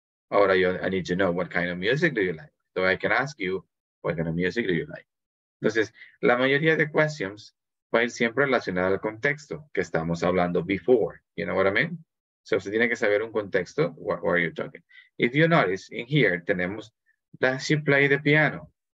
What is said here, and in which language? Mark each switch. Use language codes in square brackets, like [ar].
[es] Ahora yo, [en] I need to know what kind of music do you like? So I can ask you, what kind of music do you like? [es] Entonces, la mayoría de questions va a ir siempre relacionada al contexto que estamos hablando before. [en] You know what I mean? So [es] usted tiene que saber un contexto, [en] what are you talking? If you notice, in here [es] tenemos, [en] does she play the piano?